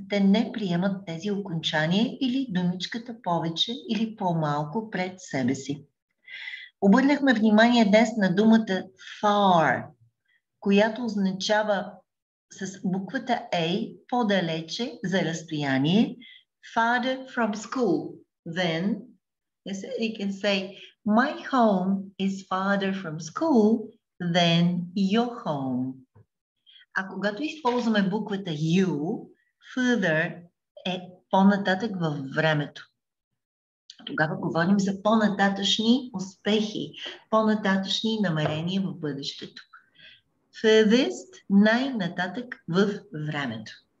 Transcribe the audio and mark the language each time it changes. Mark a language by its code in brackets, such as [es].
[bg] Те не приемат тези окончания или думичката повече или по-малко пред себе си. Обърнахме внимание днес на думата far, която означава с буквата A по-далече за разстояние. [en] Farther from school than, yes, you can say, my home is farther from school than your home. [bg] А когато използваме буквата U, further е по-нататък във времето. Тогава говорим за по-нататъчни успехи, по-нататъчни намерения в бъдещето. Furthest, най-нататък в времето.